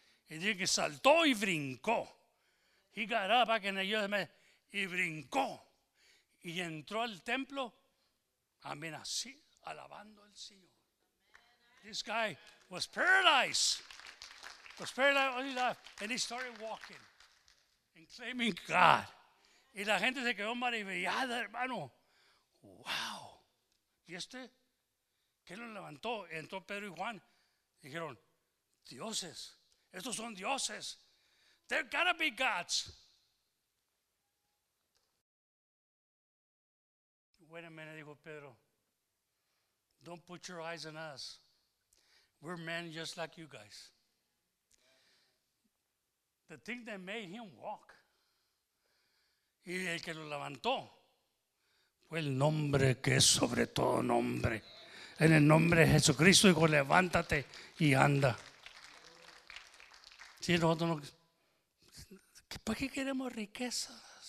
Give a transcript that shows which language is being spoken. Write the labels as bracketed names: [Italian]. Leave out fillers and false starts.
[Spanish] Y dice que saltó y brincó. [English] He got up [Spanish] y brincó. Y entró al templo, amén, así, alabando al Señor. [English] This guy was paralyzed. Was paralyzed all his life. And he started walking and claiming God. [Spanish] Y la gente se quedó maravillada, hermano. Wow. ¿Y este? ¿Qué lo levantó? Entró Pedro y Juan. Dijeron, dioses. Estos son dioses. [English] They're gotta be gods. Wait a minute, [Spanish] dijo Pedro. [English] Don't put your eyes on us. We're men just like you guys. The thing that made him walk. [Spanish] Y el que lo levantó. Fue el nombre que es sobre todo nombre. En el nombre de Jesucristo, dijo, levántate y anda. Si nosotros no. ¿Para qué queremos riqueza?